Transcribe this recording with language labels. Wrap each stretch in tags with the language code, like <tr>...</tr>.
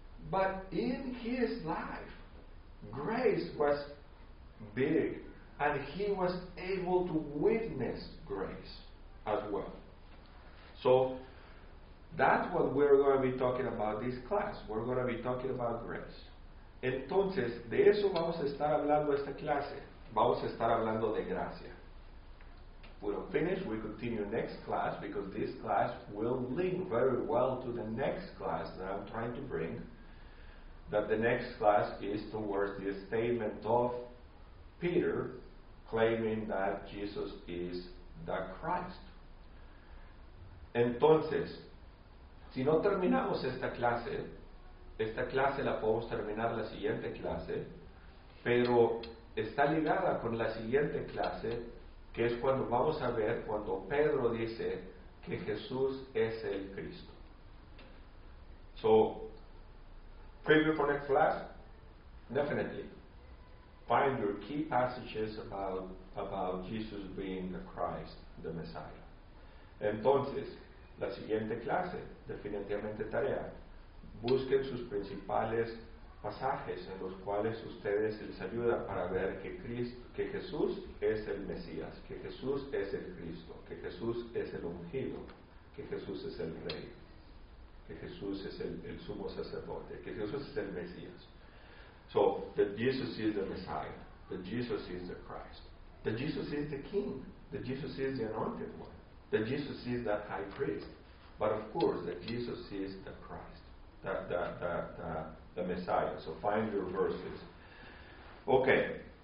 <en>But in his life, grace was big, and he was able to witness grace as well. So that's what we're going to be talking about this class. We're going to be talking about grace.</en> <es>Entonces, de eso vamos a estar hablando esta clase. Vamos a estar hablando de gracia.</es> <en>We don't finish, we continue next class, because this class will link very well to the next class that I'm trying to bring. That the next class is towards the statement of Peter claiming that Jesus is the Christ.</en> <es>Entonces, si no terminamos esta clase la podemos terminar la siguiente clase, pero está ligada con la siguiente clase, que es cuando vamos a ver cuando Pedro dice que Jesús es el Cristo.</es> <en>So, preview for next class? Definitely. Find your key passages about Jesus being the Christ, the Messiah.</en> <es>Entonces, la siguiente clase, definitivamente tarea. Busquen sus principales pasajes en los cuales ustedes les ayudan para ver que Cristo, que Jesús es el Mesías, que Jesús es el Cristo, que Jesús es el ungido, que Jesús es el Rey, que Jesús es el sumo sacerdote, que Jesús es el Mesías.</es> <en>So, that Jesus is the Messiah, that Jesus is the Christ, that Jesus is the King, that Jesus is the Anointed One, that Jesus is the High Priest, but of course, that Jesus is the Christ. The Messiah. So find your verses. Okay.</en>